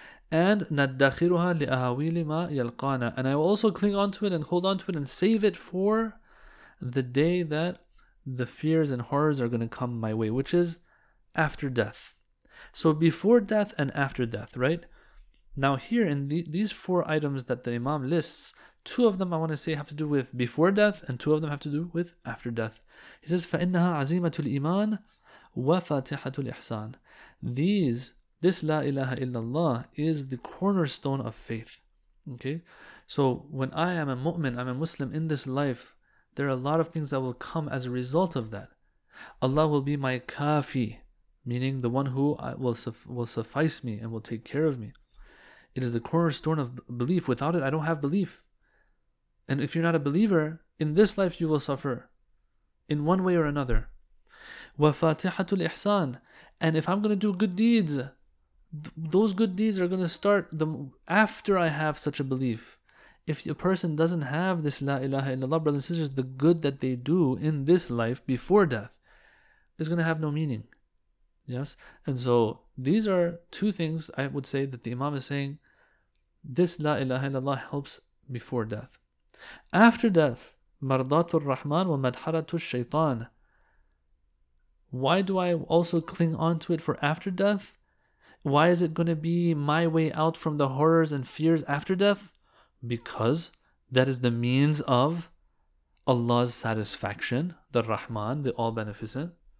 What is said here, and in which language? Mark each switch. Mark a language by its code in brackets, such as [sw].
[en] And [ar] نَدَّخِرُهَا لِأَهَوِيلِ مَا يَلْقَانَا, [en] and I will also cling on to it and hold on to it and save it for the day that the fears and horrors are going to come my way, which is after death. So before death and after death, right? Now here in these four items that the Imam lists, two of them I want to say have to do with before death, and two of them have to do with after death. He says, [ar] فَإِنَّهَا عَزِيمَةُ الْإِيمَانِ وَفَاتِحَةُ الْإِحْسَانِ. [en] This La ilaha illallah is the cornerstone of faith. Okay? So when I am a mu'min, I'm a Muslim in this life, there are a lot of things that will come as a result of that. Allah will be my kafi, meaning the one who will suffice me and will take care of me. It is the cornerstone of belief. Without it, I don't have belief. And if you're not a believer, in this life you will suffer in one way or another. [ar] وَفَاتِحَةُ الْإِحْسَانِ, [en] and if I'm going to do good deeds, those good deeds are going to start after I have such a belief. If a person doesn't have this La ilaha illallah, brothers and sisters, the good that they do in this life before death is going to have no meaning. Yes? And so these are two things I would say that the Imam is saying. This La ilaha illallah helps before death. After death, [ar] مَرْضَاتُ الرَّحْمَانِ وَمَدْحَرَةُ الشَّيْطَانِ. [en] Why do I also cling on to it for after death? Why is it going to be my way out from the horrors and fears after death? Because that is the means of Allah's satisfaction, the Rahman, the All-Beneficent.